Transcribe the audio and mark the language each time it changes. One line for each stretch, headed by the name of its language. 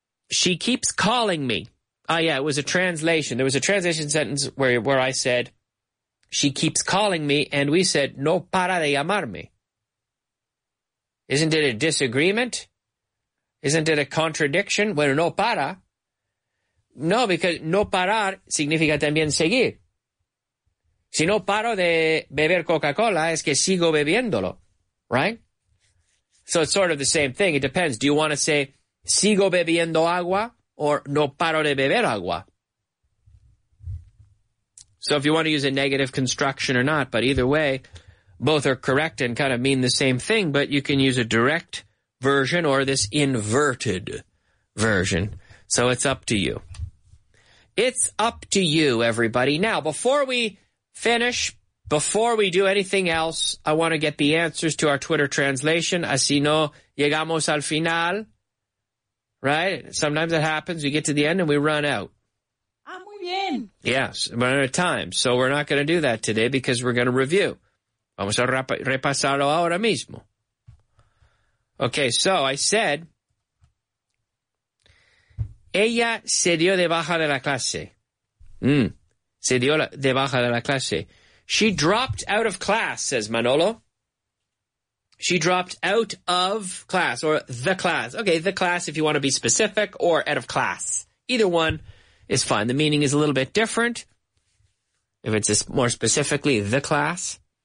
English: She keeps calling me. Oh, yeah, it was a translation. There was a translation sentence where I said, she keeps calling me, and we said,
Spanish: no para de llamarme.
English: Isn't it a disagreement? Isn't it a contradiction?
Spanish: Bueno, no para. No,
English: because
Spanish: no parar significa también seguir. Si no paro de beber Coca-Cola, es que sigo bebiéndolo,
English: right? So it's sort of the same thing. It depends. Do you want to say,
Spanish: sigo bebiendo agua,
English: or
Spanish: no paro de beber agua?
English: So if you want to use a negative construction or not, but either way, both are correct and kind of mean the same thing, but you can use a direct version or this inverted version. So it's up to you. It's up to you, everybody. Now, before we finish, before we do anything else, I want to get the answers to our Twitter translation.
Spanish: Así no llegamos al final.
English: Right? Sometimes it happens. We get to the end and we run out. Yes, we're out of time, so we're not going to do that today because we're going to review.
Spanish: Vamos a repasarlo ahora mismo.
English: Okay, so I said,
Spanish: ella se dio de baja de la clase. Se dio de baja de la clase.
English: She dropped out of class, says Manolo. She dropped out of class, or the class. Okay, the class if you want to be specific, or out of class. Either one. It's fine. The meaning is a little bit different. If it's more specifically the class.